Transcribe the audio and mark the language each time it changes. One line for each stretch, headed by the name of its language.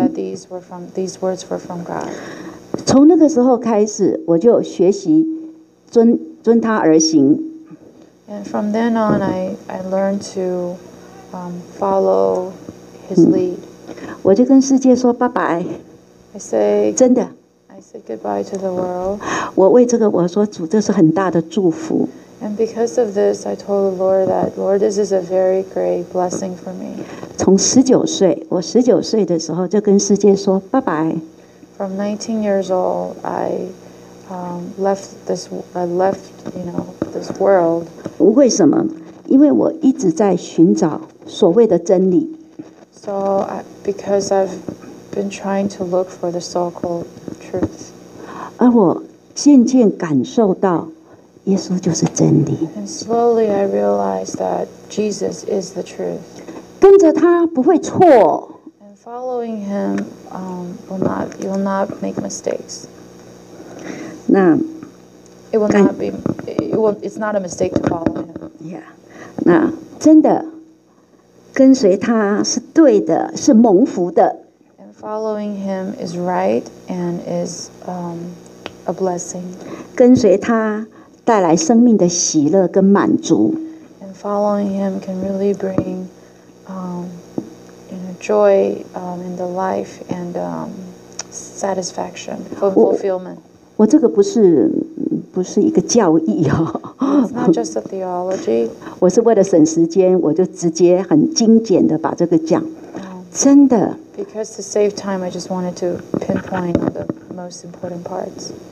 English: That these words were from God.
Chinese: 从那个时候开始，我就学习遵他而行。
English: And from then on, I learned to, follow his lead.
Chinese: 我就跟世界说拜拜。
English: I say
Chinese: 真的。
English: Say goodbye to the world.
Chinese: 我为这个我说主，这是很大的祝福。
English: And because of this, I told the Lord that Lord, this is a very great blessing for me.
Chinese: 从十九岁，我十九岁的时候就跟世界说拜拜。
English: From 19 years old, I, left this, I left, you know, this world.
Chinese: 为什么？因为我一直在寻找所谓的真理。
English: So because I've been trying to look for the so-called truth.
Chinese: 而我渐渐感受到。耶稣就是真理。
English: And slowly I realized that Jesus is the truth.
Chinese: 跟着他不会错。
English: And following him, you will not make mistakes.
Chinese: 那
English: it's not a mistake to follow him. Yeah.
Chinese: 那真的跟随他是对的，是蒙福的。
English: And following him is right and is, a blessing.
Chinese: 跟随他带来生命的喜乐跟满足。
English: And following him can really bring, you know, joy, in the life and, satisfaction, fulfillment.
Chinese: 我这个不是一个教义哦。
English: It's not just a theology.
Chinese: 我是为了省时间，我就直接很精简的把这个讲。真的。
English: Because to save time, I just wanted to pinpoint the most important parts.